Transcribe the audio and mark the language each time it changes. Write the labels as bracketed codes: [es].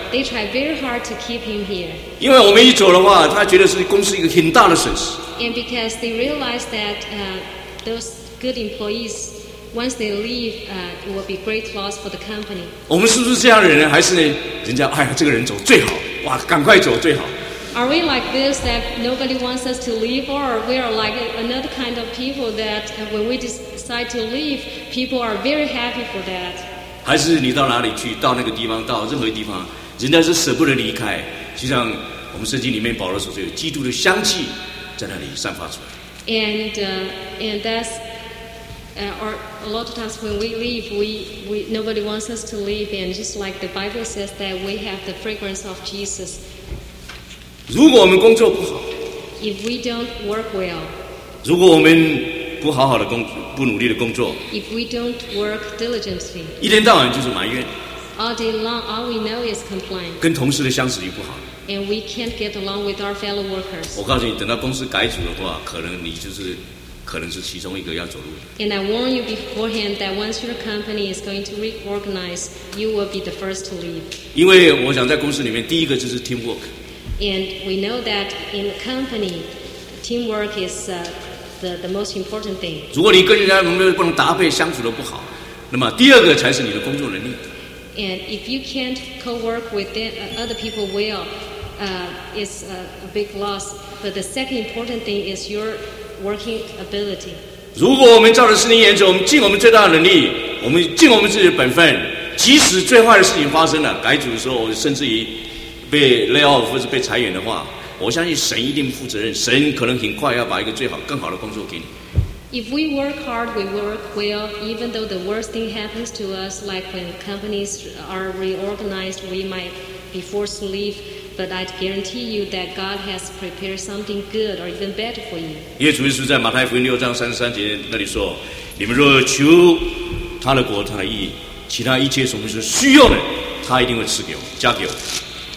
[en] They try very hard to keep him here. [zh] 因为我们一走的话，他觉得是公司一个很大的损失。 [en] And because they realize that those good employees, once they leave, it will be great loss for the company. [zh] 我们是不是这样的人呢？还是呢？人家哎呀，这个人走最好，哇，赶快走最好。 [en] Are we like this that nobody wants us to leave, or we are like another kind of people that when we decide to leave, people are very happy for that? [zh] 还是你到哪里去，到那个地方，到任何地方，人家是舍不得离开。就像我们圣经里面保罗所说，有基督的香气在那里散发出来。 [en] And that's, or a lot of times when we leave, we nobody wants us to leave, and just like the Bible says that we have the fragrance of Jesus. [zh] 如果我们工作不好 [en] if we don't work well, [zh] 如果我们不好好的工作不努力的工作 [en] if we don't work diligently, [zh] 一天到晚就是埋怨 [en] all day long, all we know is complain, [zh] 跟同事的相处也不好 [en] and we can't get along with our fellow workers, [zh] 我告诉你等到公司改组的话可能你就是可能是其中一个要走路 [en] and I warn you beforehand that once your company is going to reorganize, you will be the first to leave. [zh] 因为我想在公司里面第一个就是 teamwork, [en] And we know that in a company, teamwork is the most important thing. [zh] 如果你跟人家能不能搭配相处的不好，那么第二个才是你的工作能力。 [en] And if you can't co-work with other people well, it's a big loss. But the second important thing is your working ability. [zh] 如果我们照着圣经原则，我们尽我们最大的能力，我们尽我们自己的本分，即使最坏的事情发生了，改组的时候，甚至于。被 [en] lay off [zh] 或是被裁员的话，我相信神一定负责任。神可能很快要把一个最好、更好的工作给你。 [en] If we work hard, we work well. Even though the worst thing happens to us, like when companies are reorganized, we might be forced to leave. But I guarantee you that God has prepared something good or even better for you. [zh] 耶稣是在马太福音六章三十三节那里说：“你们若求他的国、他的义，其他一切所们是需要的，他一定会赐给我、加给我。”